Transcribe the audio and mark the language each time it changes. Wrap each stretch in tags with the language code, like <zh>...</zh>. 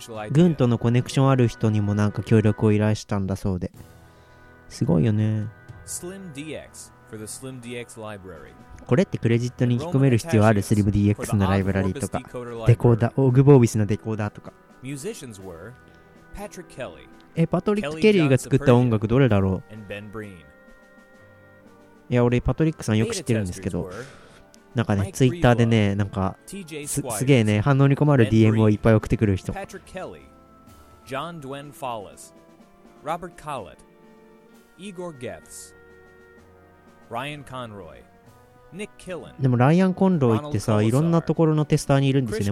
<ja>軍とのコネクションある人にもなんか協力を依頼したんだそうで、すごいよね。</ja> <en>Slim DX for the Slim DX library.</en> <ja>これってクレジットに引き込める必要ある Slim DX のライブラリーとか、デコーダー、オグボービスのデコーダーとか。</ja> <en>Musicians were Patrick Kelly.</en> <ja>パトリック・ケリーが作った音楽どれだろう。いや俺パトリックさんよく知ってるんですけど、なんかね、ツイッターでね、なんか すげえね、反応に困る DM をいっぱい送ってくる人。パトリック・ケリー、ジョン・ドゥエン・フォーレス、ロバート・カレット、イゴー・ゲッツ、ライアン・コンロイ、ニック・キルン。でもライアン・コンロイってさ、いろんなところのテスターにいるんですよね。</ja>